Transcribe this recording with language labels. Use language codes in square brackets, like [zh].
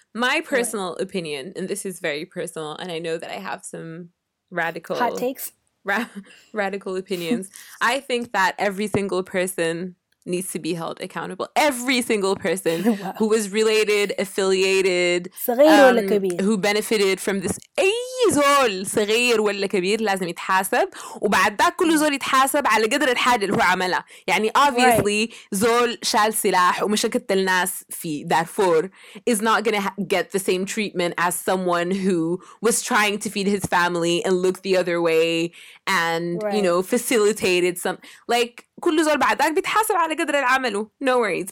[en] My personal opinion, and this is very personal, and I know that I have some radical hot takes, radical opinions. I think that every single person needs to be held accountable. Every single person who was related, affiliated, who benefited from this. [ar] أي زول صغير ولا كبير لازم يتحاسب, وبعد ذاك كل زول يتحاسب على قدر الحاجة اللي هو عملها. يعني [en] obviously [ar] زول شال سلاح ومشى قتل ناس في دارفور [en] is not gonna get the same treatment as someone who was trying to feed his family and look the other way and you know, facilitated some, like [ar] كل زول بعد ذاك بيتحاسب على قدر العمله. [en] No worries.